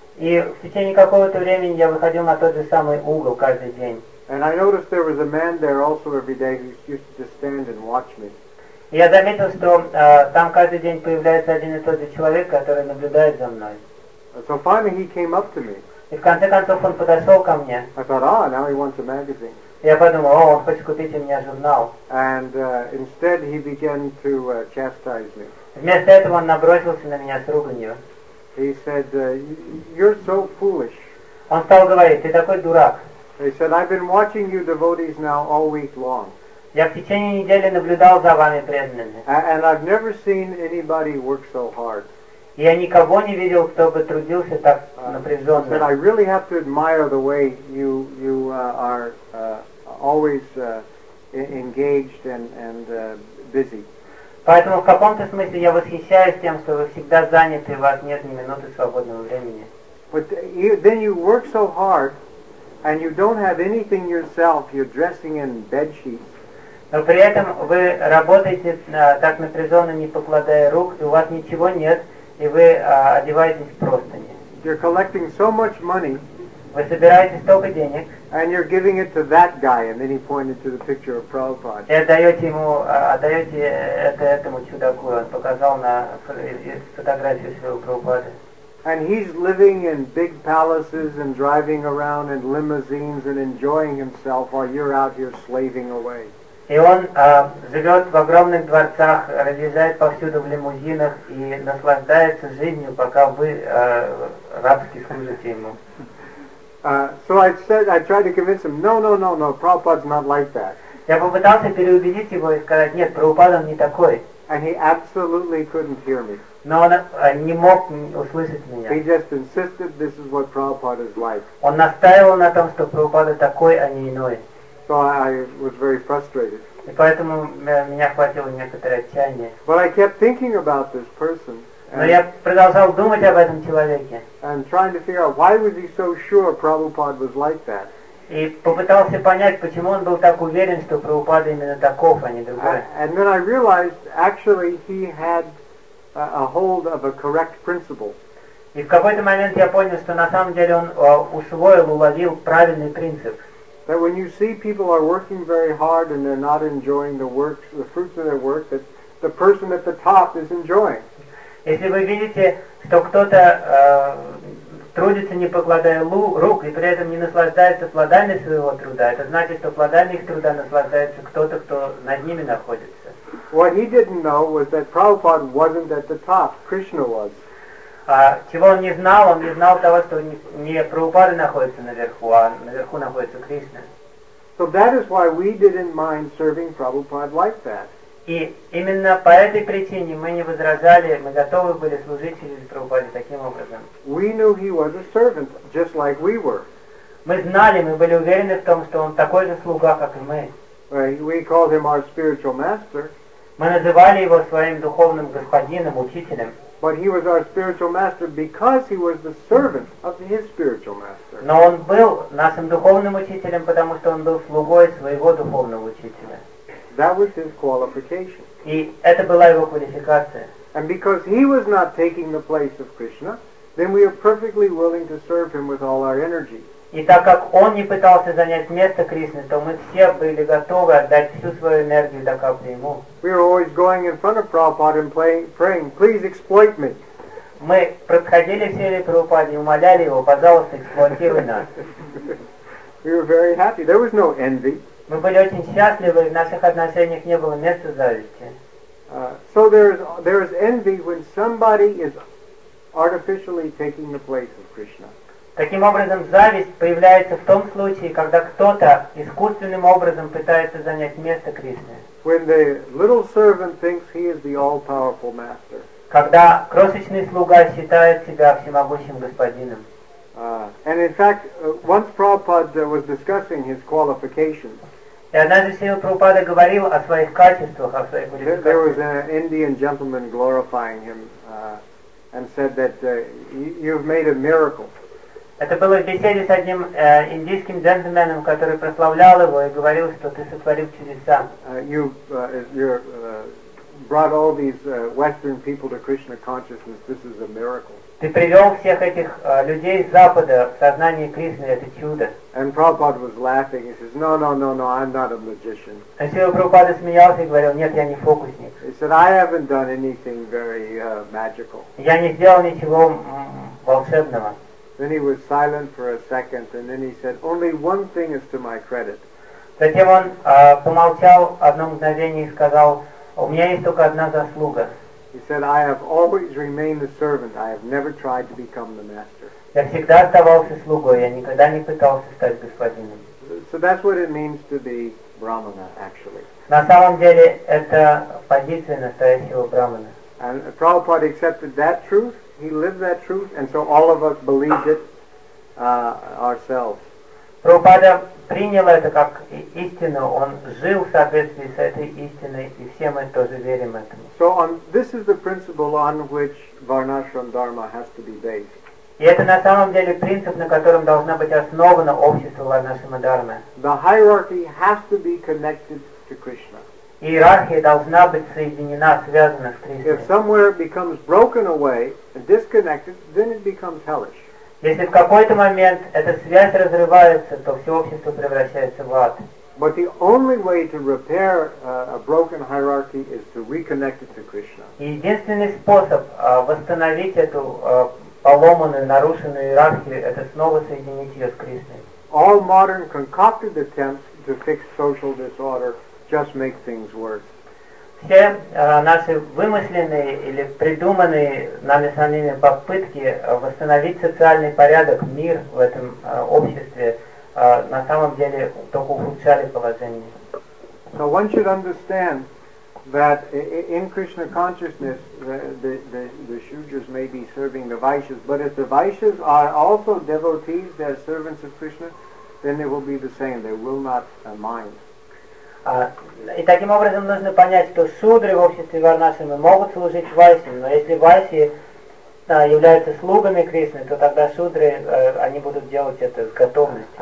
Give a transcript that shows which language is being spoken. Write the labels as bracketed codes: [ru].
[ru] И в течение какого-то времени я выходил на тот же самый угол каждый день. [en] And I noticed there was a man there also every day who used to just stand and watch me. [ru] Я заметил, что там каждый день появляется один и тот же человек, который наблюдает за мной. [en] So finally he came up to me. [ru] И в конце концов он подошел ко мне. [en] I thought, ah, now he wants a magazine. [ru] Я подумал, о, он хочет купить у меня журнал. [en] And instead he began to chastise me. [ru] Вместо этого он набросился на меня с руганью. [en] He said, you're so foolish. [ru] Он стал говорить, ты такой дурак. [en] He said, I've been watching you devotees now all week long. [ru] Я в течение недели наблюдал за вами преданными. [en] And I've never seen anybody work so hard. [ru] Я никого не видел, кто бы трудился так напряженно. [en] But I really have to admire the way you are always engaged and busy. [ru] Поэтому в каком-то смысле я восхищаюсь тем, что вы всегда заняты, у вас нет ни минуты свободного времени. [en] But then you work so hard, and you don't have anything yourself. You're dressing in bed sheets. [ru] Но при этом вы работаете так напряженно, не покладая рук, и у вас ничего нет, и вы одеваетесь в простыни. [en] You're collecting so much money. [ru] Вы собираете столько денег. [en] And you're giving it to that guy, and then he pointed to the picture of Prabhupada. [ru] И отдаете это этому чудаку, он показал на фотографию своего Прабхупады. [en] And he's living in big palaces and driving around in limousines and enjoying himself while you're out here slaving away. [ru] И он живет в огромных дворцах, разъезжает повсюду в лимузинах и наслаждается жизнью, пока вы рабски служите ему. [en] So I said, I tried to convince him, no, Prabhupada's not like that. [ru] Я попытался переубедить его и сказать, нет, Прабхупада не такой. [en] And he absolutely couldn't hear me. [ru] Но он не мог услышать меня. [en] He just insisted this is what Prabhupada is like. [ru] Он настаивал на том, что Прабхупада такой, а не иной. [en] So I was very frustrated. [ru] И поэтому меня хватило некоторое отчаяние. [en] But I kept thinking about this person. [ru] Но я продолжал думать об этом человеке. [en] And trying to figure out why was he so sure Prabhupada was like that. [ru] И попытался понять, почему он был так уверен, что Прабхупада именно таков, а не другой. [en] And then I realized, actually, he had a hold of a correct principle. [ru] И в какой-то момент я понял, что на самом деле он усвоил, уловил правильный принцип. [en] That when you see people are working very hard and they're not enjoying the work, the fruits of their work, that the person at the top is enjoying. [ru] Если вы видите, что кто-то трудится, не покладая рук, и при этом не наслаждается плодами своего труда, это значит, что плодами их труда наслаждается кто-то, кто над ними находится. [en] What he didn't know was that Prabhupada wasn't at the top, Krishna was. [ru] Чего он не знал? Он не знал того, что не Прабхупада находится наверху, а наверху находится Кришна. [en] So that is why we didn't mind serving Prabhupada like that. [ru] И именно по этой причине мы не возражали, мы готовы были служить через Прабхупаде таким образом. [en] We knew he was a servant, just like we were. [ru] Мы знали, мы были уверены в том, что он такой же слуга, как и мы. [en] We called him our spiritual master. [ru] Мы называли его своим духовным господином, учителем. [en] But he was our spiritual master because he was the servant of his spiritual master. [ru] Но он был нашим духовным учителем, потому что он был слугой своего духовного учителя. [en] That was his qualification. [ru] И это была его квалификация. [en] And because he was not taking the place of Krishna, then we are perfectly willing to serve him with all our energy. [ru] И так как он не пытался занять место Кришны, то мы все были готовы отдать всю свою энергию до капли ему. [en] We were always going in front of Prabhupada and praying, please exploit me. [ru] Мы подходили все ли Прабхупаде и умоляли его, пожалуйста, эксплуатируй нас. [en] We were very happy. There was no envy. [ru] Мы были очень счастливы, в наших отношениях не было места зависти. [en] So there is envy when somebody is artificially taking the place of Krishna. [ru] Таким образом, зависть появляется в том случае, когда кто-то искусственным образом пытается занять место Кришны. [en] When the little servant thinks he is the all-powerful master. [ru] Когда крошечный слуга считает себя всемогущим господином. [en] And in fact, once Prabhupada was discussing his qualifications. [ru] И однажды Шрила Прабхупада говорил о своих качествах, о своих квалификациях. [en] There was an Indian gentleman glorifying him and said that you've made a miracle. [ru] Это было в беседе с одним индийским джентльменом, который прославлял его и говорил, что ты сотворил чудеса. [en] You brought all these Western people to Krishna consciousness. This is a miracle. [ru] Ты привел всех этих людей с Запада в сознание Кришны. Это чудо. [en] And Prabhupada was laughing. He says, No, I'm not a magician. [ru] А Шрила Прабхупада смеялся и говорил, нет, я не фокусник. [en] He said, I haven't done anything very magical. [ru] Я не сделал ничего волшебного. [en] Then he was silent for a second, and then he said, "Only one thing is to my credit." [ru] Затем он помолчал одно мгновение и сказал, "У меня есть только одна заслуга." [en] He said, "I have always remained the servant. I have never tried to become the master." [ru] Я всегда оставался слугой. Я никогда не пытался стать господином. [en] So that's what it means to be brahmana, actually. [ru] На самом деле это позиция настоящего брахмана. [en] And Prabhupada accepted that truth. He lived that truth, and so all of us believed it ourselves. [ru] Прабхупада принял это как истину. Он жил в соответствии с этой истиной, и все мы тоже верим этому. [en] So this is the principle on which Varnashram Dharma has to be based. [ru] И это на самом деле принцип, на котором должна быть основана общество Варнашрама Дхармы. [en] The hierarchy has to be connected to Krishna. [ru] Иерархия должна быть соединена, связана с Кришной. [en] If somewhere becomes broken away and disconnected, then it becomes hellish. [ru] Если в какой-то момент эта связь разрывается, то все общество превращается в ад. [en] But the only way to repair a broken hierarchy is to reconnect it to Krishna. [ru] Единственный способ восстановить эту поломанную, нарушенную иерархию, это снова соединить ее с Кришной. [en] All modern concocted attempts to fix social disorder just make things worse. [ru] Все наши вымышленные или придуманные нами самими попытки восстановить социальный порядок, мир в этом обществе, на самом деле только ухудшали положение. [en] So one should understand that in Krishna consciousness the shudras may be serving the vaishyas, but if the vaishyas are also devotees, they're servants of Krishna, then they will be the same. They will not mind. [ru] И таким образом нужно понять, что шудры в обществе Варнашрамы могут служить вайсьям, но если вайсьи являются слугами Кришны, то тогда шудры, они будут делать это с готовностью.